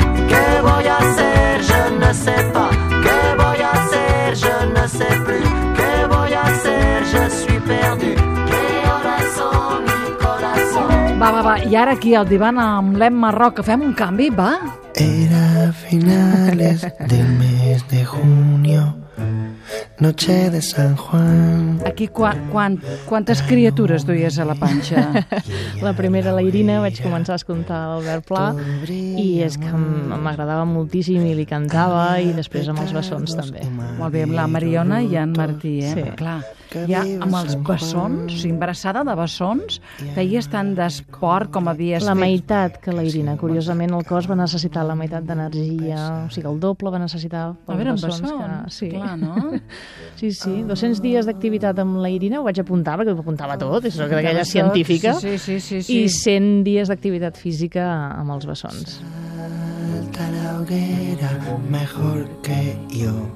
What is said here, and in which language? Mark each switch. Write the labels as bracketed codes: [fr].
[es] Què voy a hacer, [fr] je ne sais pas. [es] Què voy a hacer, [fr] je ne sais plus. [es] Què voy a hacer, [fr] je suis perdu. [ca] Va. I ara aquí al divan amb l'Emma Roca, fem un canvi, va? [es] Era finales del mes de junio. Noche de San Juan. [ca] Aquí quantes criatures duies a la panxa? La primera, la Irina, vaig començar a escoltar l'Albert Pla i és que m'agradava moltíssim i li cantava i després amb els bessons també. Molt bé, amb la Mariona i en Martí, eh? Sí. Clar, ja amb els bessons, embarassada de bessons, feies tant d'esport com havies fet... La meitat que la Irina, curiosament, el cos va necessitar la meitat d'energia, o sigui, el doble va necessitar pels bessons. A veure, bessons, sí. Clar, no? Sí, 200 dies d'activitat amb la Irina, ho vaig apuntar, perquè ho apuntava tot, és d'aquella científica, sí. I 100 dies d'activitat física amb els bessons. [es] Salta la hoguera mejor que yo.